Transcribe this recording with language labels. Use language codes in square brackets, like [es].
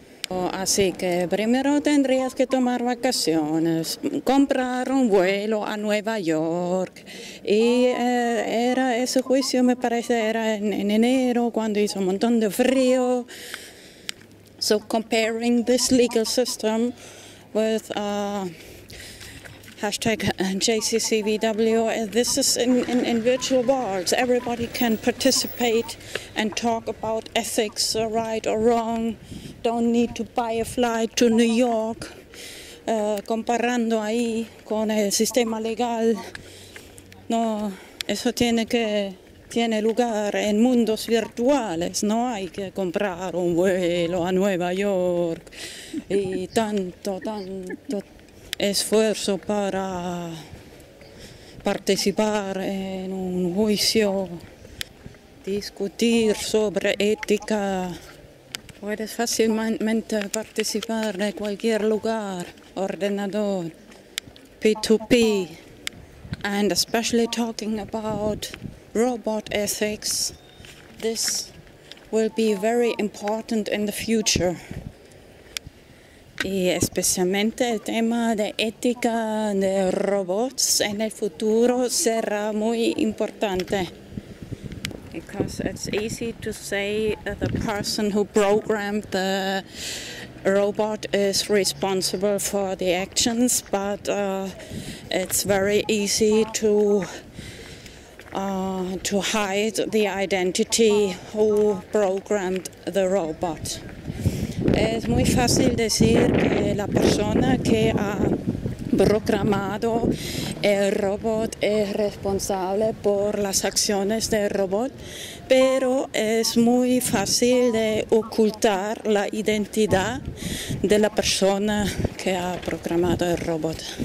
[es] Así que primero tendrías que tomar vacaciones, comprar un vuelo a Nueva York. Y era ese juicio, me parece, era en enero, cuando hizo un montón de frío. [en] So comparing this legal system with hashtag JCCVW, this is in virtual worlds. Everybody can participate and talk about ethics, right or wrong. Don't need to buy a flight to New York. [es] Comparando ahí con el sistema legal, no, eso tiene lugar en mundos virtuales. No hay que comprar un vuelo a Nueva York y tanto esfuerzo para participar en un juicio, discutir sobre ética. Puedes fácilmente participar de cualquier lugar, ordenador, P2P, [en] and especially talking about robot ethics, this will be very important in the future. [es] Y especialmente el tema de ética de robots en el futuro será muy importante. [en] Because it's easy to say the person who programmed the robot is responsible for the actions, but it's very easy to hide the identity who programmed the robot. [es] Es muy fácil decir que la persona que ha programado el robot es responsable por las acciones del robot, pero es muy fácil de ocultar la identidad de la persona que ha programado el robot.